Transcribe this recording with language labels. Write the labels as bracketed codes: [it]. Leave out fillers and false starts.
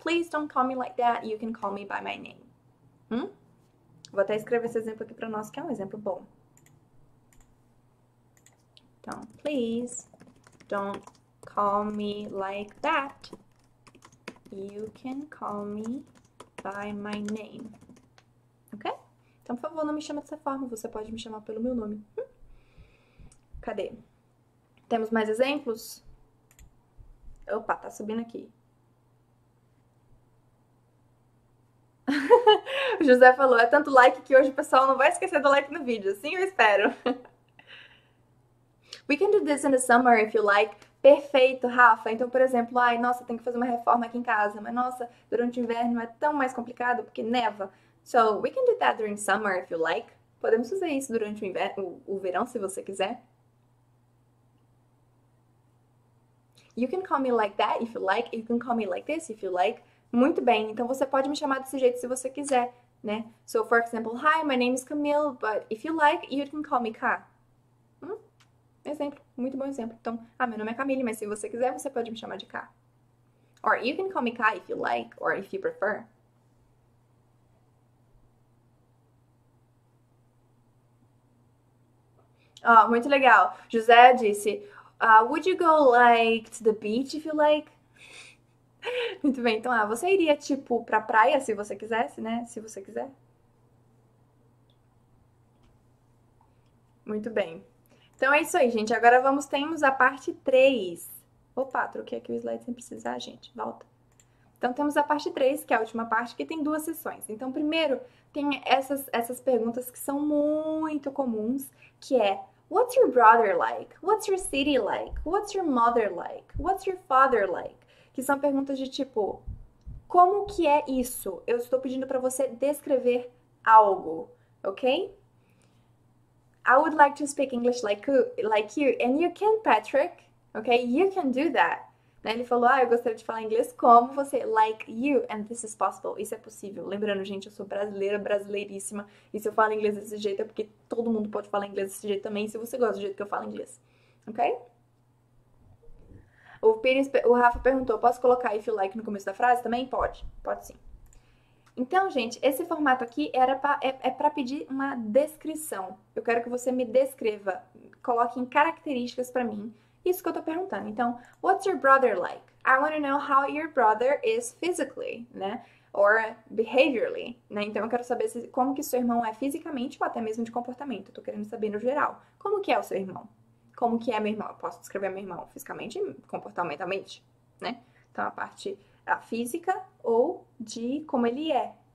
[en] Please don't call me like that. You can call me by my name. [pt] Vou até escrever esse exemplo aqui para nós, que é um exemplo bom. [en] Então, please don't call me like that. You can call me by my name. Ok? [pt] Então, por favor, não me chame dessa forma. Você pode me chamar pelo meu nome. Cadê? Temos mais exemplos? Opa, tá subindo aqui. O José falou: é tanto like que hoje o pessoal não vai esquecer do like no vídeo. Sim, eu espero. [en] We can do this in the summer if you like. [pt] Perfeito, Rafa. Então, por exemplo, ai, nossa, tem que fazer uma reforma aqui em casa. Mas, nossa, durante o inverno é tão mais complicado porque neva. [en] So, we can do that during summer if you like. [pt] Podemos fazer isso durante o verão, se você quiser. [en] You can call me like that if you like. You can call me like this if you like. [pt] Muito bem, então você pode me chamar desse jeito se você quiser, né? [en] So, for example, hi, my name is Camille, but if you like, you can call me Ka. [pt] Exemplo, muito bom exemplo. Então, meu nome é Camille, mas se você quiser, você pode me chamar de Ka. [en] Or you can call me Ka if you like, or if you prefer. Oh, [pt] muito legal. José disse, [en] would you go like to the beach if you like? [pt] Muito bem, então, você iria tipo pra praia se você quisesse, né? Se você quiser. Muito bem. Então é isso aí, gente. Agora temos a parte 3. Opa, troquei aqui o slide sem precisar, gente. Volta. Então temos a parte 3, que é a última parte, que tem duas sessões. Então, primeiro, tem essas perguntas que são muito comuns, que é: [en] What's your brother like? What's your city like? What's your mother like? What's your father like? [pt] Que são perguntas de tipo, como que é isso? Eu estou pedindo para você descrever algo, ok? [en] I would like to speak English like you, and you can, Patrick, okay? You can do that. [pt] Né? Ele falou, eu gostaria de falar inglês como você, [en] like you, and this is possible. [pt] Isso é possível. Lembrando, gente, eu sou brasileira, brasileiríssima, e se eu falo inglês desse jeito é porque todo mundo pode falar inglês desse jeito também, se você gosta do jeito que eu falo inglês, ok? O Rafa perguntou, posso colocar [en] if you like [pt] no começo da frase também? Pode. Pode sim. Então, gente, esse formato aqui é para pedir uma descrição. Eu quero que você me descreva, coloque em características para mim isso que eu tô perguntando. [en] Então, what's your brother like? I want to know how your brother is physically, né? Or behaviorally, né? [pt] Então, eu quero saber como que seu irmão é fisicamente ou até mesmo de comportamento. Eu tô querendo saber no geral. Como que é o seu irmão? Como que é meu irmão? Eu posso descrever meu irmão fisicamente, comportamentalmente, né? Então, a parte a física ou de como ele é.